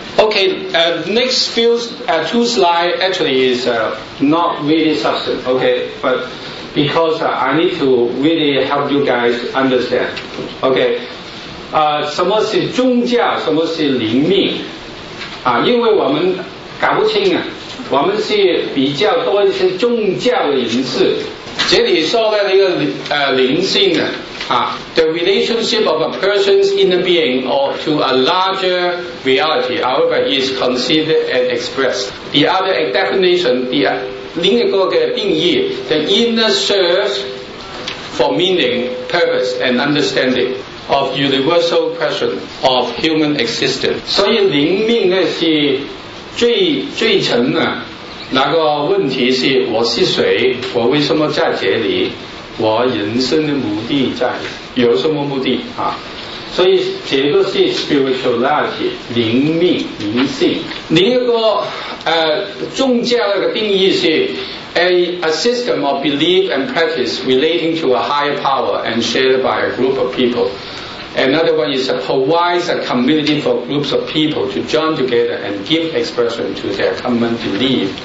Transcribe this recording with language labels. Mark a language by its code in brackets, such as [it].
[en] Okay, next few two slides actually is not really substantive, okay, but because I need to really help you guys understand, okay. [zh] 什么是宗教，什么是灵命啊，因为我们搞不清啊，我们是比较多一些宗教灵识，这里说的那个灵性啊， [en] the relationship of a person's inner being or to a larger reality, however, is considered and expressed. The other definition, the [zh] 另一个定义 [en] the inner search for meaning, purpose, and understanding of universal question of human existence. [zh] 所以灵命呢是最沉的，那个问题是我是谁，我为什么在这里，我人生的目的在有什么目的啊？所以这个是 spirituality 灵命灵性。另一个宗教的定义是 [en] a system of belief and practice relating to a higher power and shared by a group of people. Another one is a provides a community for groups of people to join together and give expression to their common belief.